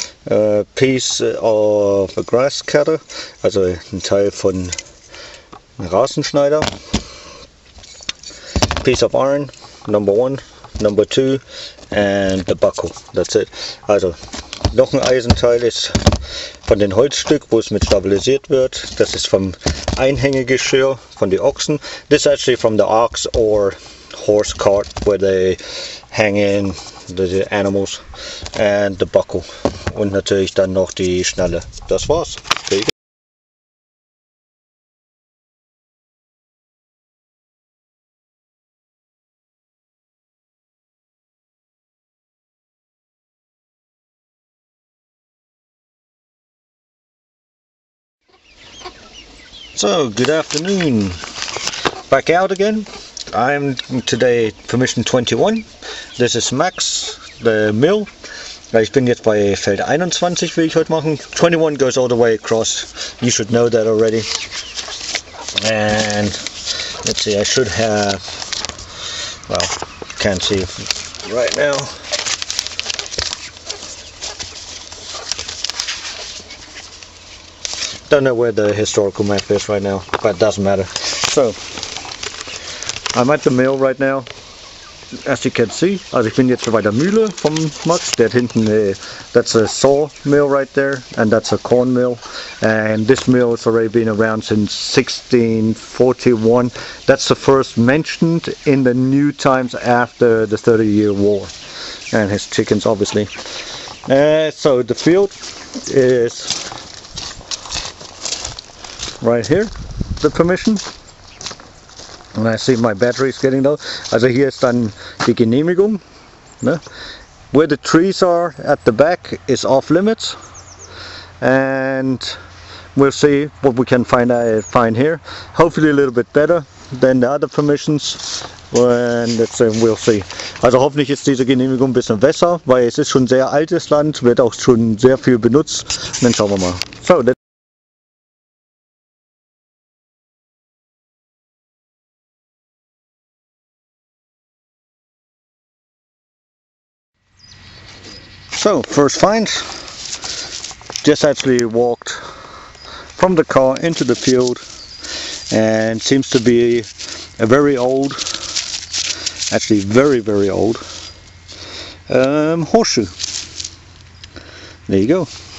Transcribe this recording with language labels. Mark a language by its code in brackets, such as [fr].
[en] A piece of a grass cutter. [de] Also ein Teil von einem Rasenschneider. [en] Piece of iron, number one. Number two. And the buckle. That's it. [de] Also, noch ein Eisenteil ist von dem Holzstück, wo es mit stabilisiert wird. Das ist vom Einhängegeschirr von den Ochsen. [en] This is actually from the ox or horse cart where they hang in the animals. And the buckle. [de] Und natürlich dann noch die Schnalle. Das war's. [en] So, good afternoon. Back out again. I'm today permission 21. This is Max, the mill. [de] Ich bin jetzt bei Feld 21, will ich heute machen. [en] 21 goes all the way across. You should know that already. And let's see, I should have, well, can't see right now. Don't know where the historical map is right now, but it doesn't matter. So, I'm at the mill right now, as you can see. [de] Also, ich bin jetzt bei der Mühle vom Max. Der hinten, [en] that's a saw mill right there, and that's a corn mill. And this mill has already been around since 1641. That's the first mentioned in the new times after the 30-year war. And his chickens, obviously. So, the field is right here, the permission. And I see my battery is getting low. [de] Also hier ist dann die Genehmigung. Ne? [en] Where the trees are at the back is off limits. And we'll see what we can find here. Hopefully a little bit better than the other permissions. And let's say we'll see. [de] Also hoffentlich ist diese Genehmigung ein bisschen besser, weil es ist schon sehr altes Land, wird auch schon sehr viel benutzt. Und dann schauen wir mal. [en] So, so, first find, just actually walked from the car into the field and seems to be a very old, actually very, very old, horseshoe. There you go.